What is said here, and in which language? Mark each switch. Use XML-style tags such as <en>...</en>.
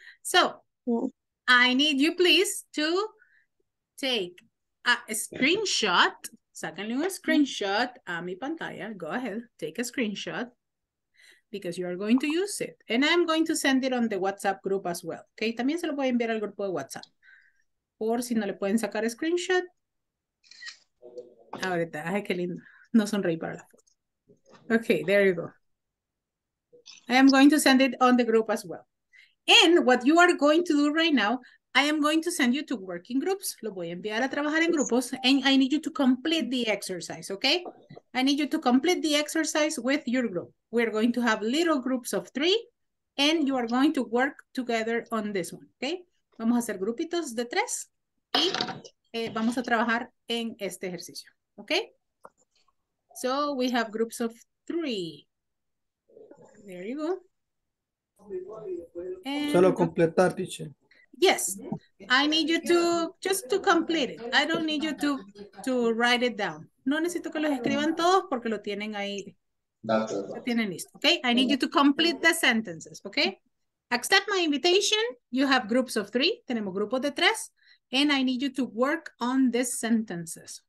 <en>So, I need you please to take a screenshot.</en> <es>Sáquenle un screenshot a mi pantalla.</es> <en>Go ahead, take a screenshot because you are going to use it. And I'm going to send it on the WhatsApp group as well.</en> <es>Okay, también se lo voy a enviar al grupo de WhatsApp. Por si no le pueden sacar a screenshot. Ahorita, ay, qué lindo. No sonreí para la foto.</es> <en>Okay, there you go. I am going to send it on the group as well. And what you are going to do right now, I am going to send you to working groups.</en> <es>Lo voy a enviar a trabajar en grupos.</es> <en>And I need you to complete the exercise, okay? I need you to complete the exercise with your group. We're going to have little groups of three. And you are going to work together on this one, okay?</en> <es>Vamos a hacer grupitos de tres. Y vamos a trabajar en este ejercicio.</es> <en>Okay, so we have groups of three. There you go.</en> <es>And solo completar, teacher.</es> <en>Yes, I need you to just to complete it. I don't need you to write it down.</en> <es>No necesito que los escriban todos porque lo tienen ahí. Lo tienen listo.</es> <en>Okay, I need you to complete the sentences. Okay, accept my invitation. You have groups of three.</en> <es>Tenemos grupos de tres.</es> <en>And I need you to work on these sentences.</en>